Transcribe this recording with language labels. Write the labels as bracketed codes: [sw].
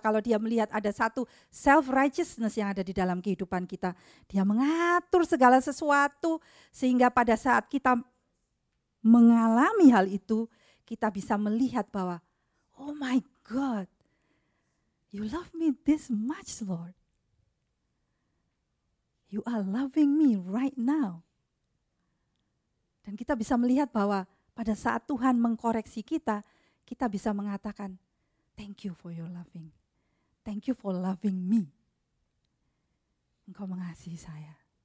[id] Kalau dia melihat ada satu self-righteousness yang ada di dalam kehidupan kita, dia mengatur segala sesuatu sehingga pada saat kita mengalami hal itu, kita bisa melihat bahwa, [en] oh my God, you love me this much, Lord. You are loving me right now. [id] Dan kita bisa melihat bahwa pada saat Tuhan mengkoreksi kita, kita bisa mengatakan, [en] thank you for your loving. Thank you for loving me. [id] Engkau mengasihi saya.